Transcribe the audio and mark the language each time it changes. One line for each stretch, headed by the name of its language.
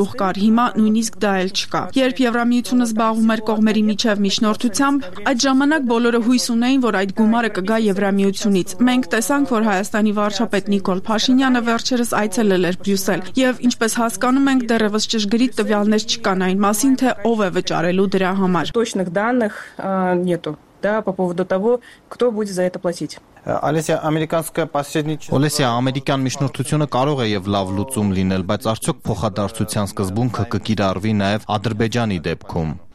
Armenian: գլուխ կար, հիմա նույնիսկ դա էլ չկա։ Երբ Եվրամիությունը զբաղվում էր կողմերի միջև միջնորդությամբ, այդ ժամանակ բոլորը հույս ունեին, որ այդ գումարը կգա Եվրամիությունից։ Մենք տեսանք, որ Հայաստանի վարչապետ Նիկոլ Փաշինյանը վերջերս այցելել էր Բրյուսել, և ինչպես հասկանում ենք, դեռևս ճշգրիտ տվյալներ չկան այն մասին, թե ով է վճարելու դրա համար։
Russian: Точных данных нету. Да, по поводу того, кто будет за это платить. Олеся, американская посредничество.
Armenian: Олеся, американ միջնորդությունը կարող է եւ լավ լուծում լինել, բայց արդյոք փոխադարձության սկզբունքը կկիրառվի նաեւ Ադրբեջանի դեպքում։